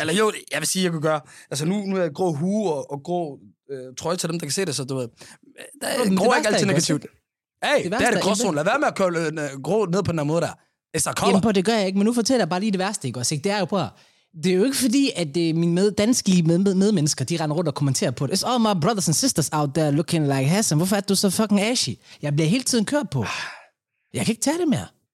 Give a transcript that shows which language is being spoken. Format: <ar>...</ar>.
<da>Eller jo, jeg vil sige, jeg kunne gøre. Altså nu er jeg grå hue og grå trøje til dem, der kan se det, så du ved. Der er grå ikke altid negativt. Hey, det er det gråzonen. Lad være med at køre grå ned på den her måde der. Jamen, det gør jeg ikke, men nu fortæller jeg bare lige det værste, ikke også? Det er jo på. Det er jo ikke fordi, at mine danske medmennesker, de render rundt og kommenterer på det.</da> <en>It's all my brothers and sisters out there looking like Hassan.</en> <da>Hvorfor er du så fucking ashy? Jeg bliver hele tiden kørt på. Jeg kan ikke tage det mere.</da>